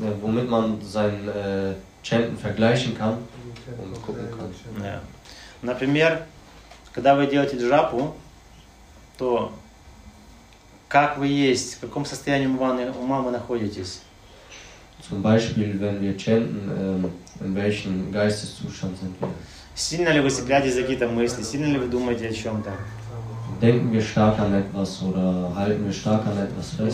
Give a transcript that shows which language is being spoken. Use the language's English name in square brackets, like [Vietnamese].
[German] Womit man sein Chanten vergleichen kann und gucken kann. [Russian] Например, когда вы делаете джапу, то как вы есть, в каком состоянии ума вы находитесь? [German] Zum Beispiel, wenn wir chanten, in welchem Geisteszustand sind wir? [Russian] Сильно ли вы цепляетесь за какие-то мысли? Сильно ли вы думаете о чем-то? [German] Denken wir stark an etwas oder halten wir stark an etwas fest?